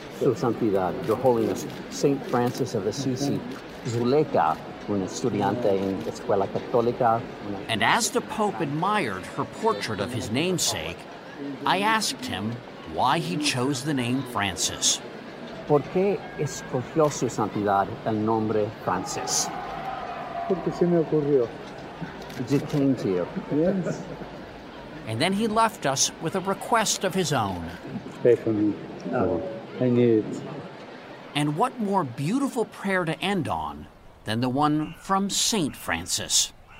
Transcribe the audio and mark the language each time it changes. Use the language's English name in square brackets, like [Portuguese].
[Spanish] Su Santidad, [English] Your Holiness, [Spanish] St. Francis of Assisi, Zuleika, un estudiante en Escuela Católica. [English] And as the Pope admired her portrait of his namesake, I asked him why he chose the name Francis. [Spanish] ¿Por qué escogió Su Santidad el nombre Francis? Porque se me ocurrió. [English] It came to you. Yes. And then he left us with a request of his own. Pray for me. I need it. And what more beautiful prayer to end on than the one from St. Francis?